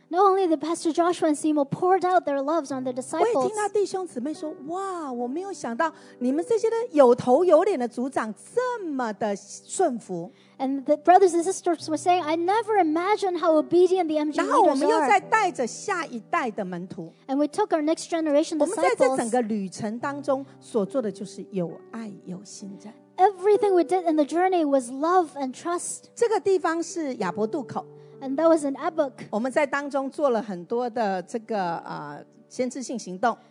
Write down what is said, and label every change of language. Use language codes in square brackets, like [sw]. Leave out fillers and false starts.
[en] Not only the Pastor Joshua and Simo poured out their loves on their disciples [zh] 我也听到弟兄姊妹说 哇, 我没有想到你们这些有头有脸的族长这么的顺服 [en] And the brothers and sisters were saying I never imagined how obedient the MG leaders are [zh] 然后我们又再带着下一代的门徒 [en] And we took our next generation disciples [zh] 我们在这整个旅程当中所做的就是有爱有信任 [en] Everything we did in the journey was love and trust. [zh] 这个地方是亚伯渡口, [en] and that was in Abuk. [zh] 我们在当中做了很多的这个, 先知性行动,